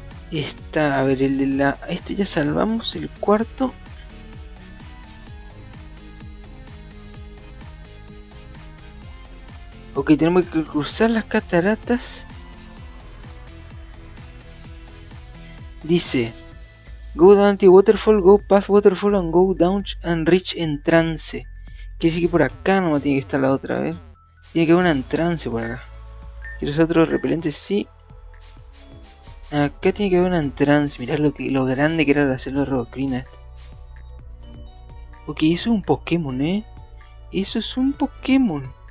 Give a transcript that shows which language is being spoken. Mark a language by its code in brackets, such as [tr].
[es] está, a ver, el de la... este ya salvamos, el cuarto... ok, tenemos que cruzar las cataratas. Dice: [en] go down the waterfall, go past waterfall and go down and reach entrance. [es] Quiere decir que por acá no tiene que estar la otra, a ver. Tiene que haber una entrance por acá. ¿Quieres otro repelente? Sí. Acá tiene que haber una entrance. Mirá lo grande que era la selva Rocrina. Ok, eso es un Pokémon, Eso es un Pokémon.